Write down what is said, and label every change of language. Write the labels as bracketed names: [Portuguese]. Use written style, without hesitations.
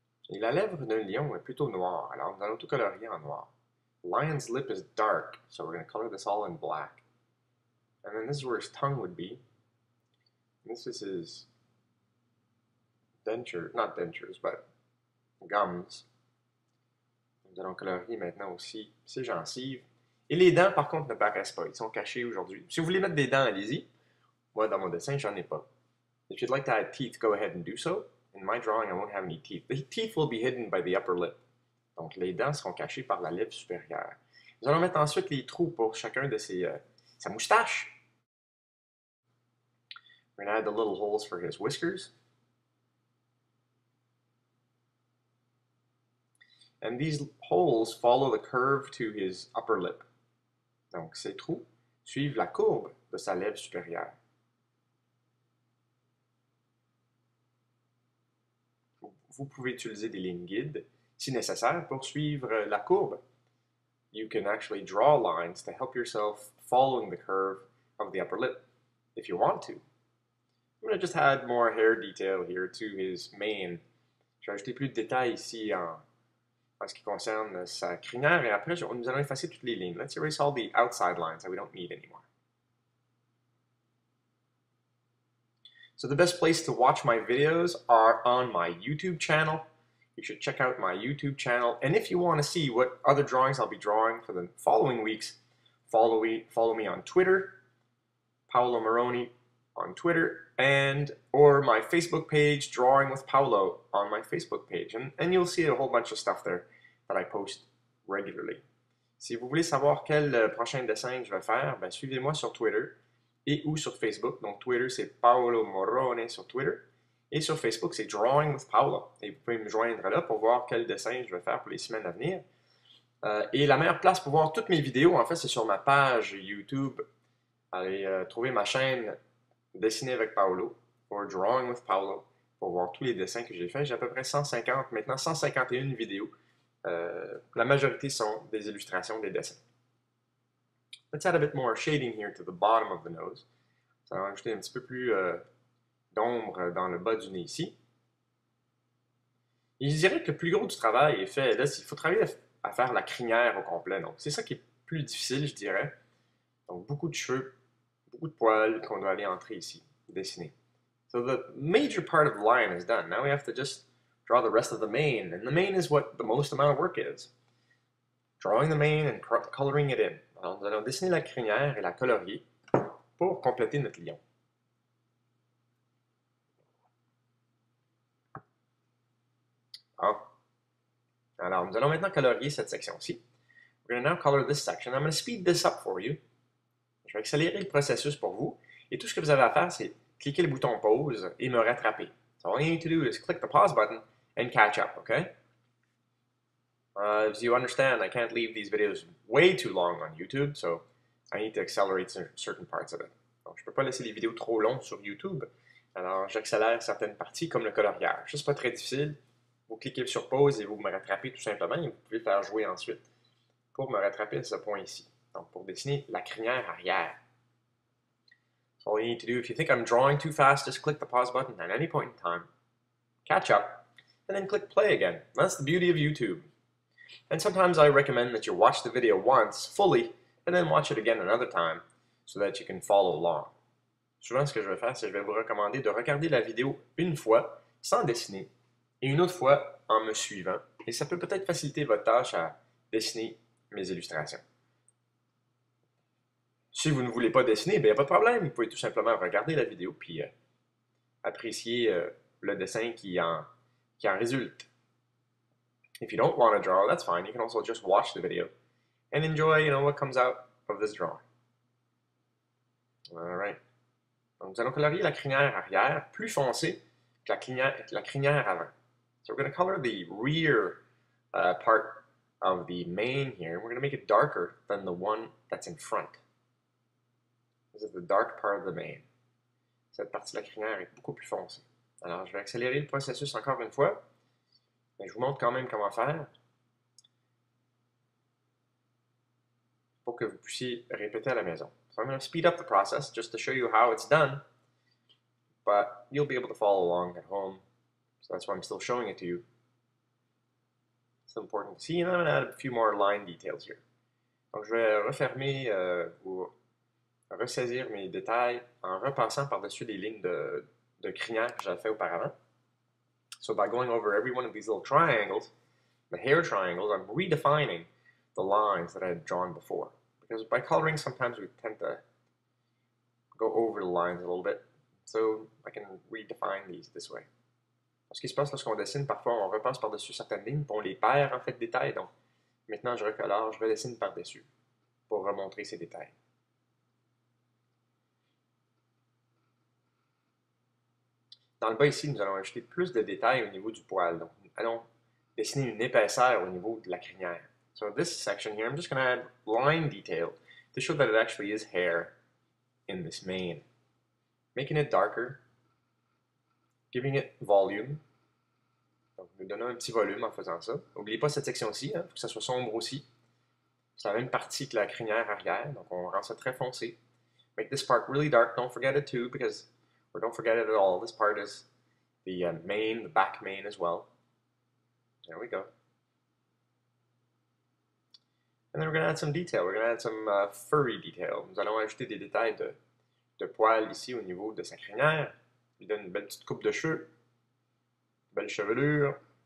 [French] Et la lèvre d'un lion est plutôt noire. Alors, nous allons tout colorier en noir. [English] Lion's lip is dark, so we're going to color this all in black. And then this is where his tongue would be. And this is his gums. [French] Nous allons colorier maintenant aussi ses gencives. Et les dents, par contre, ne paraissent pas. Ils sont cachés aujourd'hui. Si vous voulez mettre des dents, allez-y. Moi, dans mon dessin, j'en ai pas. [English] If you'd like to add teeth, go ahead and do so. In my drawing, I won't have any teeth. The teeth will be hidden by the upper lip. [French] Donc, les dents seront cachées par la lèvre supérieure. Nous allons mettre ensuite les trous pour chacun de ses sa moustache. [English] We're going to add the little holes for his whiskers. And these holes follow the curve to his upper lip. [French] Donc, ces trous suivent la courbe de sa lèvre supérieure. Vous pouvez utiliser des lignes guides, si nécessaire, pour suivre la courbe. [English] You can actually draw lines to help yourself following the curve of the upper lip, if you want to. I'm going to just add more hair detail here to his mane. [French] J'ai ajouté plus de détails ici en ce qui concerne sa crinière, et après, nous allons effacer toutes les lignes. [English] Let's erase all the outside lines that we don't need anymore. So the best place to watch my videos are on my YouTube channel. You should check out my YouTube channel. And if you want to see what other drawings I'll be drawing for the following weeks, follow me on Twitter, Paolo Morrone on Twitter, and or my Facebook page, Drawing with Paolo, on my Facebook page. And you'll see a whole bunch of stuff there that I post regularly. [French] Si vous voulez savoir quel prochain dessin je vais faire, ben suivez-moi sur Twitter et ou sur Facebook. Donc Twitter, c'est Paolo Morrone sur Twitter. Et sur Facebook, c'est Drawing with Paolo. Et vous pouvez me joindre là pour voir quel dessin je vais faire pour les semaines à venir. Et la meilleure place pour voir toutes mes vidéos, en fait, c'est sur ma page YouTube. Allez trouver ma chaîne Dessiner avec Paolo, ou Drawing with Paolo, pour voir tous les dessins que j'ai faits. J'ai à peu près 150, maintenant 151 vidéos. La majorité sont des illustrations des dessins. [English] Let's add a bit more shading here to the bottom of the nose. [French] Ça va ajouter un petit peu plus d'ombre dans le bas du nez ici. Et je dirais que le plus gros du travail est fait, là, il faut travailler à faire la crinière au complet. Donc, c'est ça qui est plus difficile, je dirais. Donc, beaucoup de cheveux, beaucoup de poils qu'on doit aller entrer ici, dessiner. [English] So the major part of the lion is done. Now we have to just draw the rest of the mane. And the mane is what the most amount of work is. Drawing the mane and coloring it in. [French] Alors, nous allons dessiner la crinière et la colorier pour compléter notre lion. Alors, nous allons maintenant colorier cette section-ci. [English] We're going to now color this section. I'm going to speed this up for you. [French] Je vais accélérer le processus pour vous. Et tout ce que vous avez à faire, c'est cliquer le bouton pause et me rattraper. [English] So, all you need to do is click the pause button and catch up, okay? As you understand, I can't leave these videos way too long on YouTube, so I need to accelerate certain parts of it. [French] Donc, je ne peux pas laisser les vidéos trop longues sur YouTube. Alors, j'accélère certaines parties comme le coloriage. Ce n'est pas très difficile. Vous cliquez sur pause et vous me rattrapez tout simplement et vous pouvez faire jouer ensuite pour me rattraper à ce point ici. Donc, pour dessiner la crinière arrière. [English] So all you need to do, if you think I'm drawing too fast, just click the pause button at any point in time. Catch up. And then click play again. That's the beauty of YouTube. And sometimes I recommend that you watch the video once, fully, and then watch it again another time, so that you can follow along. [French] Souvent, ce que je vais faire, c'est que je vais vous recommander de regarder la vidéo une fois, sans dessiner, et une autre fois en me suivant. Et ça peut peut-être faciliter votre tâche à dessiner mes illustrations. Si vous ne voulez pas dessiner, ben il n'y a pas de problème. Vous pouvez tout simplement regarder la vidéo puis apprécier le dessin qui en résulte. [English] If you don't want to draw, that's fine. You can also just watch the video and enjoy, you know, what comes out of this drawing. All right. [French] Donc, nous allons colorier la crinière arrière plus foncée que la crinière avant. [English] So we're going to color the rear part of the mane here. We're going to make it darker than the one that's in front. This is the dark part of the mane. [French] Cette partie de la crinière est beaucoup plus foncée. Alors, je vais accélérer le processus encore une fois. Mais je vous montre quand même comment faire pour que vous puissiez répéter à la maison. [English] So I'm going to speed up the process just to show you how it's done. But you'll be able to follow along at home. So that's why I'm still showing it to you. It's important to see. And I'm going to add a few more line details here. [French] Donc je vais refermer ou ressaisir mes détails en repassant par-dessus les lignes de crinière que j'avais fait auparavant. [English] So by going over every one of these little triangles, the hair triangles, I'm redefining the lines that I had drawn before. Because by coloring, sometimes we tend to go over the lines a little bit. So I can redefine these this way. [French] Ce qui se passe lorsqu'on dessine, parfois on repasse par-dessus certaines lignes, puis on les perd en fait détails. Donc maintenant je recolore, je redessine par-dessus pour remontrer ces détails. Dans le bas ici, nous allons ajouter plus de détails au niveau du poil. Donc, allons dessiner une épaisseur au niveau de la crinière. [English] So in this section here, I'm just going to add line detail to show that it actually is hair in this mane. Making it darker, giving it volume. [French] Donc, lui donner un petit volume en faisant ça. N'oubliez pas cette section-ci, hein, faut que ça soit sombre aussi. C'est la même partie que la crinière arrière, donc on rend ça très foncé. [English] Make this part really dark, don't forget it too, because, or don't forget it at all, this part is the mane, the back mane as well. There we go. And then we're going to add some detail, we're going to add some furry detail. [French] Nous allons ajouter des détails de poils ici au niveau de sa crinière. Il donne une belle petite coupe de cheveux, belle chevelure.